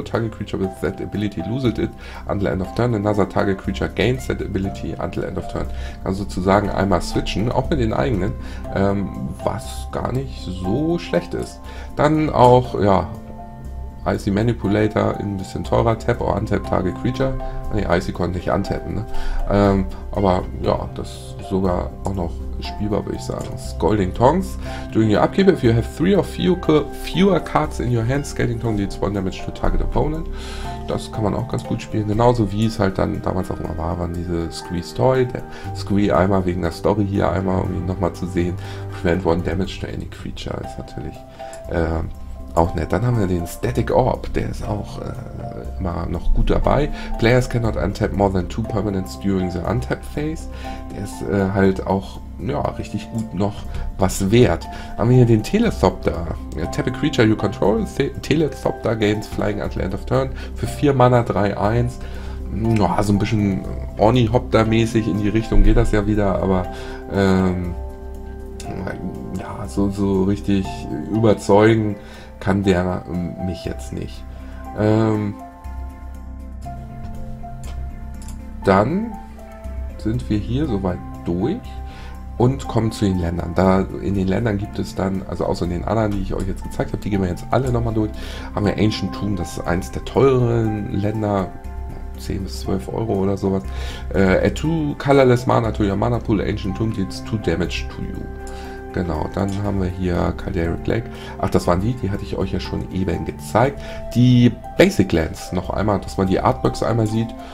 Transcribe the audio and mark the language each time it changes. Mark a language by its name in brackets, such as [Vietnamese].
[English] Target Creature with that ability loses it until end of turn. Another Target Creature gains that ability until end of turn. [German] Kann sozusagen einmal switchen, auch mit den eigenen, was gar nicht so schlecht ist. Dann auch, ja, Icy Manipulator in ein bisschen teurer, [English] Tap or Untap Target Creature. [German] Nee, Icy konnte ich untappen, ne? Aber ja, das sogar auch noch spielbar, würde ich sagen. Scalding Tongs. [English] During your upkeep, if you have three or fewer cards in your hand, Scalding Tongs deals one damage to target opponent. [German] Das kann man auch ganz gut spielen. Genauso wie es halt dann damals auch immer war, waren diese Squeeze Toy, der Squee einmal wegen der Story hier einmal, um ihn nochmal zu sehen. [English] Prevent one damage to any creature [German] ist natürlich auch nett. Dann haben wir den Static Orb, der ist auch immer noch gut dabei. [English] Players cannot untap more than two permanents during the untap phase. [German] Der ist halt auch ja, richtig gut noch was wert. Haben wir hier den Telethopter. Ja, [English] tap a creature you control. Telethopter gains flying until end of turn. [German] Für 4 Mana 3-1. Ja, so ein bisschen Ornithopter-mäßig in die Richtung geht das ja wieder, aber ja, so richtig überzeugen kann der mich jetzt nicht. Dann sind wir hier soweit durch und kommen zu den Ländern. Da in den Ländern gibt es dann, also außer in den anderen, die ich euch jetzt gezeigt habe, die gehen wir jetzt alle nochmal durch, haben wir Ancient Tomb, das ist eins der teureren Länder, 10 bis 12 Euro oder sowas. [English] Add two colorless mana to your mana pool, Ancient Tomb deals 2 damage to you. [German] Genau, dann haben wir hier Calderic Lake. Ach, das waren die hatte ich euch ja schon eben gezeigt. Die Basic Lands noch einmal, dass man die Artbox einmal sieht.